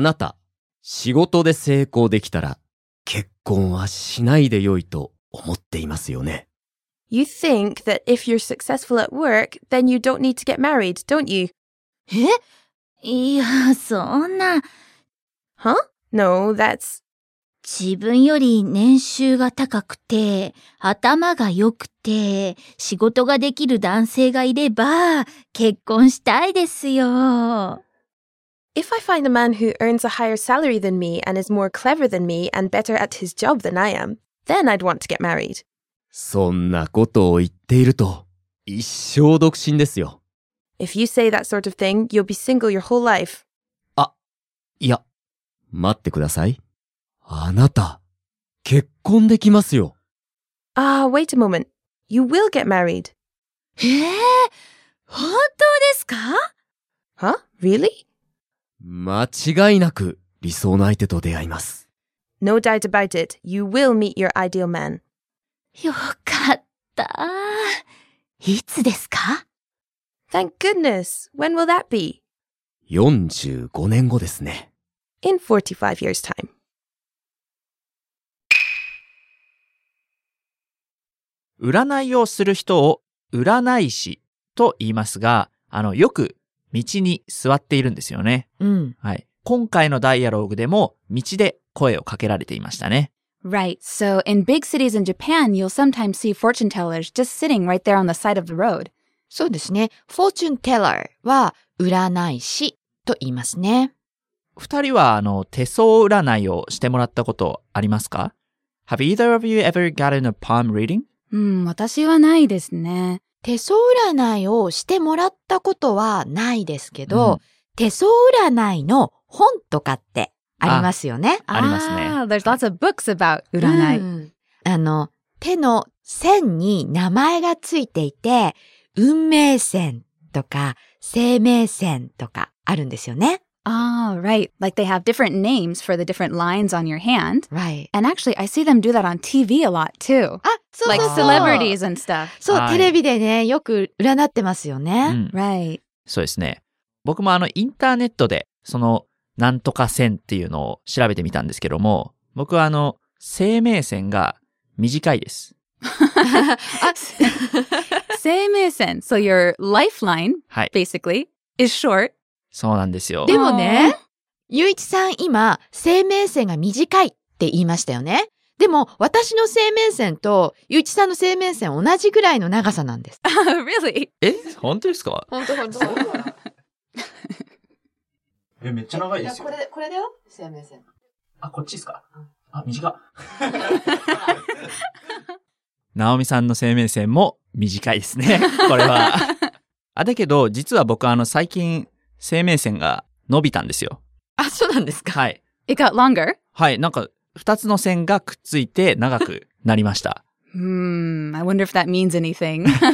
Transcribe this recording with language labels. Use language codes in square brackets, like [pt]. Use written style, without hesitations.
[ja] なた、仕事で成功できたら結婚はしないでよいと思っていますよね。 [en] You think that if you're successful at work, then you don't need to get married, don't you? [ja] いや、そんな。 [en] Huh? No, that's... [ja] 自分より年収が高くて、頭が良くて、仕事ができる男性がいれば、結婚したいですよ。 [en] If I find a man who earns a higher salary than me and is more clever than me and better at his job than I am, then I'd want to get married. [ja] そんなことを言っていると、一生独身ですよ。 [en] If you say that sort of thing, you'll be single your whole life. [ja] あ、いや、待ってください。あなた、結婚できますよ。 [en] Ah, wait a moment. You will get married. [ja] えぇ、本当ですか？ [en] Huh? Really? [ja] 間違いなく理想の相手と出会います。 [en] No doubt about it. You will meet your ideal man. [ja] よかった。いつですか？ [en] Thank goodness. When will that be? [ja] 45年後ですね。 [en] In 45 years time. [ja] 占いをする人を占い師と言いますが、よく道に座っているんですよね。うん。はい。今回のダイアログでも道で声をかけられていましたね。 [en] Right. So in big cities in Japan, you'll sometimes see fortune tellers just sitting right there on the side of the road. [ja] そうですね。 [en] Fortune teller [ja] は占い師と言いますね。二人は手相占いをしてもらったことありますか？ [en] Have either of you ever gotten a palm reading? [ja] うん、私はないですね。手相占いをしてもらったことはないですけど、うん、手相占いの本とかってありますよね。ありますね。 [en] There's lots of books about 占い。 [ja] うん、手の線に名前がついていて、運命線とか生命線とかあるんですよね。 [en] Ah, right. Like they have different names for the different lines on your hand. Right. And actually, I see them do that on TV a lot too. Ah, so, so. Like celebrities and stuff. [ja] そう、テレビでね、よく占ってますよね。うん、 [en] right. [ja] そうですね。僕もインターネットで、その、なんとか線っていうのを調べてみたんですけども、僕は生命線が短いです。生命線。 [en] So your lifeline,、はい、basically, is short. [ja] そうなんですよ。でもね、ゆういちさん今、生命線が短いって言いましたよね。でも、私の生命線と、ゆういちさんの生命線同じぐらいの長さなんです。 [en] really? [ja] え本当ですか本当本当。え、めっちゃ長いですよ。これだよ生命線。あ、こっちですか、うん、あ、短っ。なおみさんの生命線も短いですね。これは。あ、だけど、実は僕最近、生命線が伸びたんですよ。あ、そうなんですか。はい。 [en] It got longer? [ja] はい。なんか、二つの線がくっついて長くなりました。 [en] I wonder if that means anything.